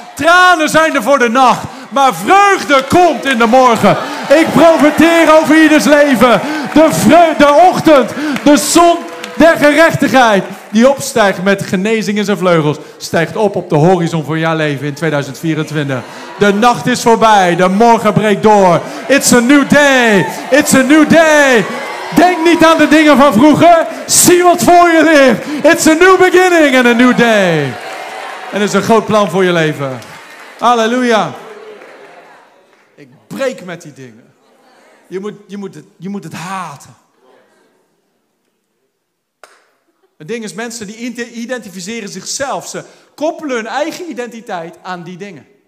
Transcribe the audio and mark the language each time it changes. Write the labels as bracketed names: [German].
[Dutch] Tranen zijn er voor de nacht, maar vreugde komt in de morgen. Ik profeteer over ieders leven. De ochtend, de zon der gerechtigheid, die opstijgt met genezing in zijn vleugels, stijgt op de horizon van jouw leven in 2024. De nacht is voorbij, de morgen breekt door. [English] It's a new day, it's a new day. [Dutch] Denk niet aan de dingen van vroeger, zie wat voor je ligt. [English] It's a new beginning and a new day. [Dutch] En het is een groot plan voor je leven. Halleluja. Ik breek met die dingen. Je moet het haten. Het ding is, mensen die identificeren zichzelf. Ze koppelen hun eigen identiteit aan die dingen.